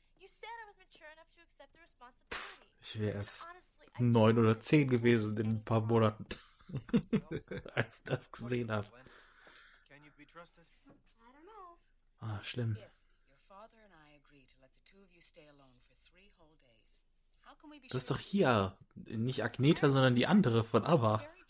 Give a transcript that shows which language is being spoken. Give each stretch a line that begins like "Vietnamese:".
English: You said I was mature enough to accept the responsibility.
German: Ich wäre erst 9 oder 10 gewesen in ein paar Monaten, als ich das gesehen habe.
English: Can you be trusted? I don't know.
German: Ah, schlimm.
English: Your father and I agree to let the two of you stay alone for 3 whole days. How can we be sure?
German: Das ist doch hier nicht Agneta, sondern die andere von ABBA.